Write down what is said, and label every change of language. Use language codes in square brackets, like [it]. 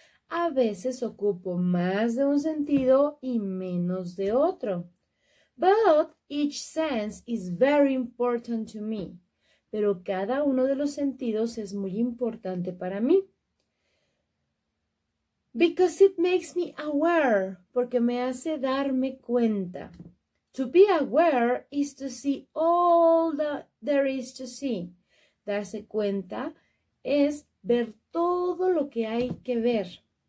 [es] A veces ocupo más de un sentido y menos de otro. [en] But each sense is very important to me. [es] Pero cada uno de los sentidos es muy importante para mí. [en] Because it makes me aware, [es] porque me hace darme cuenta. [en] To be aware is to see all that there is to see. [es] Darse cuenta es ver todo lo que hay que ver.